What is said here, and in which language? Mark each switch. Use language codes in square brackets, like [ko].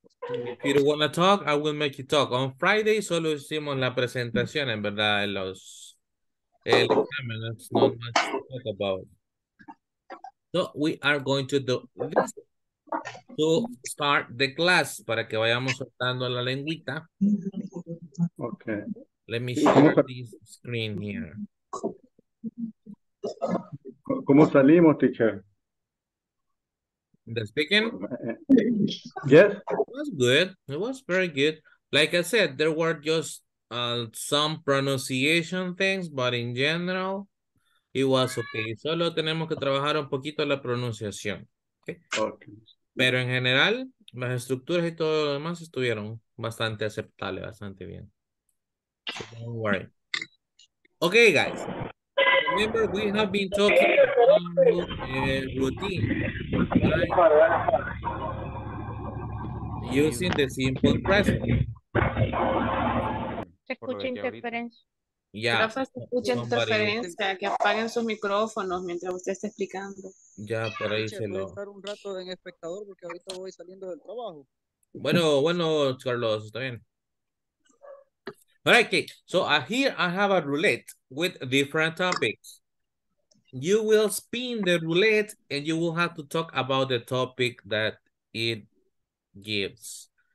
[en] If you want to talk, I will make you talk. On Friday [es] solo hicimos la presentación, en verdad, en los... El examen, [en] that's not much to talk about. So we are going to do this to start the class [es] para que vayamos soltando la lengüita. [en] Okay. Let me share this screen here. [es] ¿Cómo salimos, teacher? [en] The speaking? Yes. It was good. It was very good. Like I said, there were just some pronunciation things, but in general, it was okay. [es] Solo tenemos que trabajar un poquito la pronunciación. [en] Okay. [es] Pero en general, las estructuras y todo lo demás estuvieron bastante aceptables, bastante bien. [en] So don't worry. Okay, guys. Remember, we have been talking about routine. Right? Using the simple present. [es] Se escucha interferencia. [en] Yeah. [es] Que apaguen sus micrófonos mientras usted está explicando. Ya, por ahí se lo. Estar un rato en espectador porque ahorita voy saliendo del trabajo. Bueno, bueno, Carlos, está bien. [en] Alright, okay. So here I have a roulette with different topics. You will spin the roulette and you will have to talk about the topic that it gives.